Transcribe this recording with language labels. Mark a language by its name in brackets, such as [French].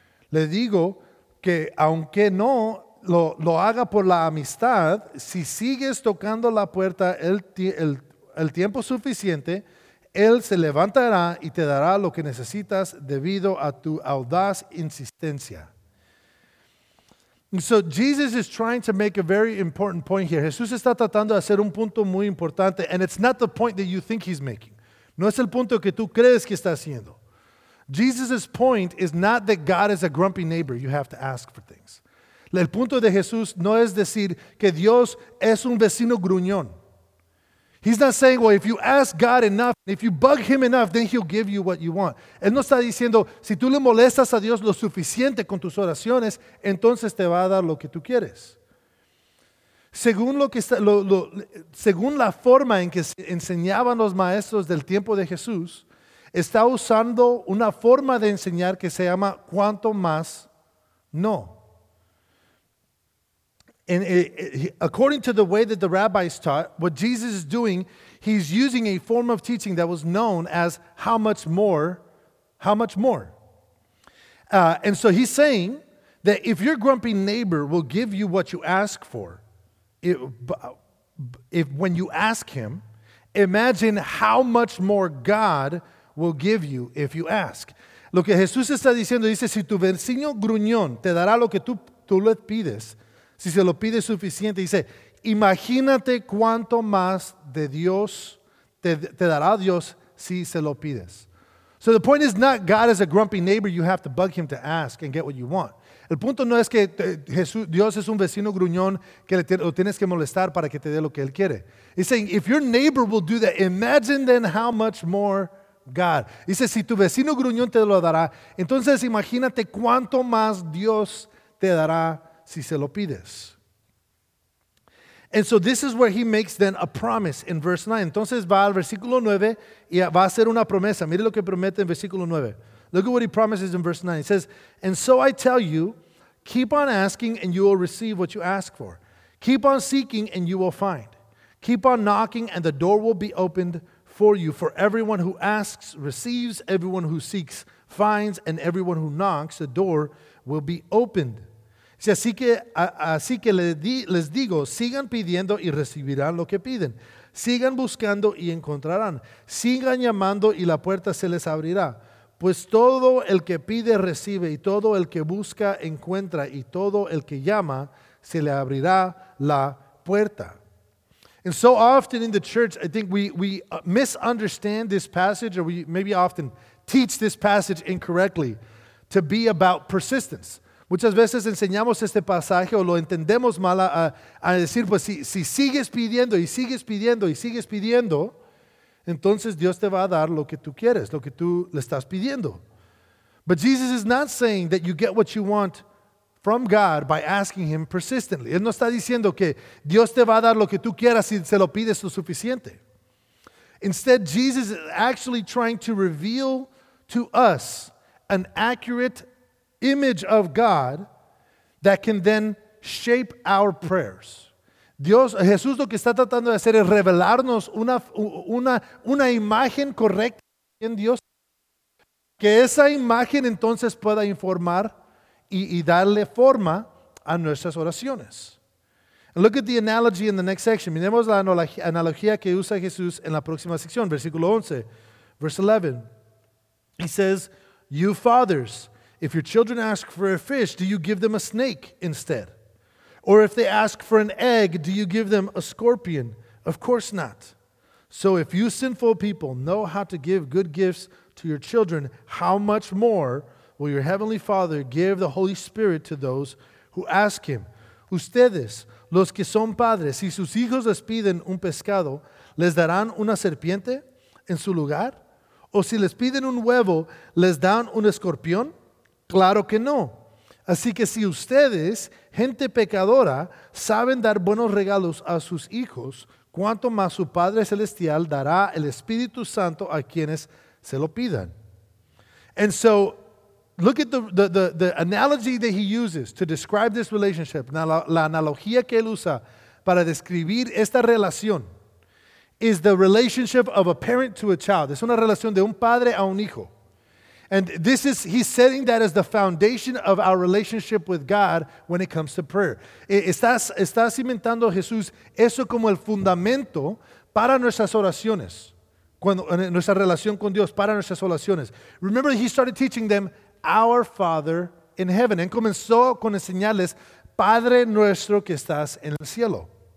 [Spanish] Le digo que aunque no lo haga por la amistad, si sigues tocando la puerta el tiempo suficiente, él se levantará y te dará lo que necesitas debido a tu audaz insistencia. [English] So Jesus is trying to make a very important point here. [Spanish] Jesús está tratando de hacer un punto muy importante, [English] and it's not the point that you think he's making. [Spanish] No es el punto que tú crees que está haciendo. [English] Jesus' point is not that God is a grumpy neighbor, you have to ask for things. [Spanish] El punto de Jesús no es decir que Dios es un vecino gruñón. [English] He's not saying, well, if you ask God enough, if you bug him enough, then he'll give you what you want. [Spanish] Él no está diciendo, si tú le molestas a Dios lo suficiente con tus oraciones, entonces te va a dar lo que tú quieres. Según lo que está, según la forma en que enseñaban los maestros del tiempo de Jesús, está usando una forma de enseñar que se llama cuanto más no. [English] And according to the way that the rabbis taught, what Jesus is doing, he's using a form of teaching that was known as how much more, how much more. And so he's saying that if your grumpy neighbor will give you what you ask for, if when you ask him, imagine how much more God will give you if you ask. [Spanish] Lo que Jesús está diciendo, dice, si tu vecino gruñón te dará lo que tú le pides, si se lo pide suficiente, dice, imagínate cuánto más de Dios te dará Dios si se lo pides. [English] So the point is not God is a grumpy neighbor, you have to bug him to ask and get what you want. [Spanish] El punto no es que Jesús, Dios es un vecino gruñón que lo tienes que molestar para que te dé lo que él quiere. [English] He's saying, if your neighbor will do that, imagine then how much more God. [Spanish] Dice, si tu vecino gruñón te lo dará, entonces imagínate cuánto más Dios te dará si se lo pides. [English] And so this is where he makes then a promise in verse 9. [Spanish] Entonces va al versículo 9 y va a hacer una promesa. Mire lo que promete en versículo 9. [English] Look at what he promises in verse 9. He says, and so I tell you, keep on asking and you will receive what you ask for. Keep on seeking and you will find. Keep on knocking and the door will be opened for you. For everyone who asks receives, everyone who seeks finds, and everyone who knocks, the door will be opened. [Spanish] Así que les digo, sigan pidiendo y recibirán lo que piden. Sigan buscando y encontrarán. Sigan llamando y la puerta se les abrirá. Pues todo el que pide recibe y todo el que busca encuentra y todo el que llama se le abrirá la puerta. [English] And so often in the church, I think we misunderstand this passage, or we maybe often teach this passage incorrectly to be about persistence. [Spanish] Muchas veces enseñamos este pasaje o lo entendemos mal a decir, pues si sigues pidiendo y sigues pidiendo y sigues pidiendo, entonces Dios te va a dar lo que tú quieres, lo que tú le estás pidiendo. [English] But Jesus is not saying that you get what you want from God by asking him persistently. [Spanish] Él no está diciendo que Dios te va a dar lo que tú quieras si se lo pides lo suficiente. [English] Instead, Jesus is actually trying to reveal to us an accurate image of God that can then shape our prayers. [Spanish] Dios, Jesús lo que está tratando de hacer es revelarnos una imagen correcta en Dios, que esa imagen entonces pueda informar y darle forma a nuestras oraciones. [English] And look at the analogy in the next section. [Spanish] Miremos la analogía que usa Jesús en la próxima sección, versículo 11, [English] verse 11. He says, you fathers, if your children ask for a fish, do you give them a snake instead? Or if they ask for an egg, do you give them a scorpion? Of course not. So if you sinful people know how to give good gifts to your children, how much more will your heavenly Father give the Holy Spirit to those who ask him? [Spanish] Ustedes, los que son padres, si sus hijos les piden un pescado, ¿les darán una serpiente en su lugar? O si les piden un huevo, ¿les dan un escorpión? Claro que no. Así que si ustedes, gente pecadora, saben dar buenos regalos a sus hijos, ¿cuánto más su Padre Celestial dará el Espíritu Santo a quienes se lo pidan? [English] And so, look at the analogy that he uses to describe this relationship. [Spanish] La analogía que él usa para describir esta relación [English] is the relationship of a parent to a child. [Spanish] Es una relación de un padre a un hijo. [English] And this is, he's setting that as the foundation of our relationship with God when it comes to prayer. [Spanish] Está cimentando Jesús eso como el fundamento para nuestras oraciones, nuestra relación con Dios, para nuestras oraciones. [English] Remember, he started teaching them our Father in heaven. [Spanish] Él comenzó con enseñarles Padre nuestro que estás en el cielo.